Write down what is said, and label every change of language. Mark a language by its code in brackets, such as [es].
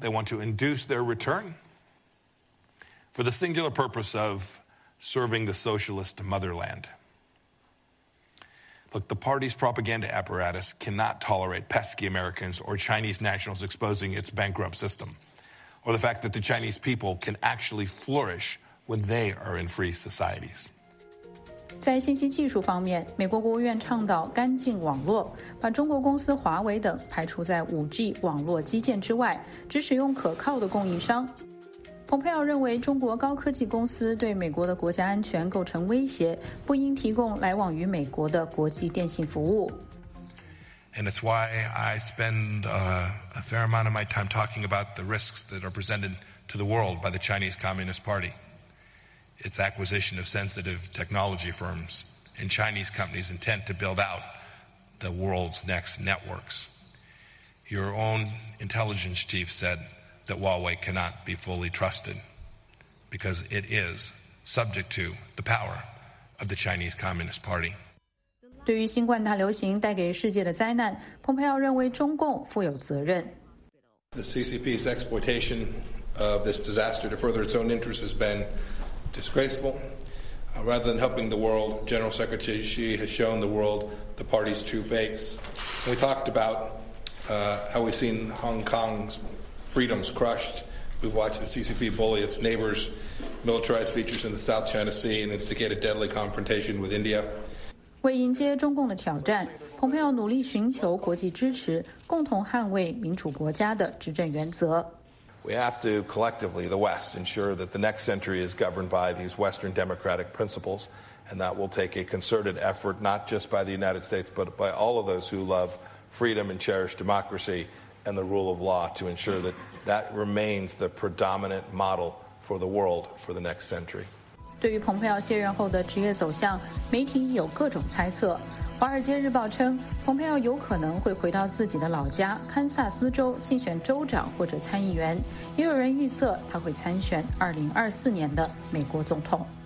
[en] They want to induce their return. For the singular purpose of serving the socialist motherland. Look, the party's propaganda apparatus cannot tolerate pesky Americans or Chinese nationals exposing its bankrupt system, or the fact that the Chinese people can actually flourish when they are in free societies. [zh] 在信息技术方面，美国国务院倡导干净网络，把中国公司华为等排除在 5G 网络基建之外，只使用可靠的供应商。蓬佩奥认为，中国高科技公司对美国的国家安全构成威胁，不应提供来往于美国的国际电信服务。 [en] And it's why I spend a fair amount of my time talking about the risks that are presented to the world by the Chinese Communist Party, its acquisition of sensitive technology firms, and Chinese companies' intent to build out the world's next networks. Your own intelligence chief said. That Huawei cannot be fully trusted because it is subject to the power of the Chinese Communist Party. [zh] 对于新冠大流行带给世界的灾难，蓬佩奥认为中共负有责任。 [en] The CCP's exploitation of this disaster to further its own interests has been disgraceful. Rather than helping the world, General Secretary Xi has shown the world the party's true face. We talked about how we've seen Hong Kong's. Freedoms crushed. We've watched the CCP bully its neighbors, militarized features in the South China Sea, and instigate a deadly confrontation with India. [zh] 为迎接中共的挑战，蓬佩奥努力寻求国际支持，共同捍卫民主国家的执政原则。 [en] We have to collectively, the West, ensure that the next century is governed by these Western democratic principles, and that will take a concerted effort, not just by the United States, but by all of those who love freedom and cherish democracy. And the rule of law to ensure that that remains the predominant model for the world for the next century. [zh] 对于蓬佩奥卸任后的职业走向，媒体有各种猜测。 《华尔街日报》称，蓬佩奥有可能会回到自己的老家堪萨斯州竞选州长或者参议员。也有人预测他会参选2024年的美国总统。